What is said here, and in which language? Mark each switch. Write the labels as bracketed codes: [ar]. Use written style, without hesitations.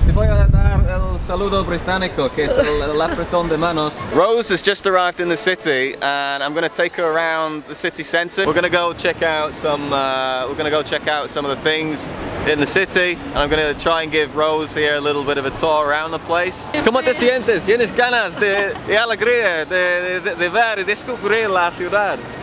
[es] Te voy a dar el saludo británico, que es el apretón de manos. [en] Rose has just arrived in the city, and I'm going to take her around the city centre. We're going to go check out some. We're going to go check out some of the things in the city, and I'm going to try and give Rose here a little bit of a tour around the place. [es] ¿Cómo te sientes? ¿Tienes ganas de alegría, de ver y descubrir la ciudad?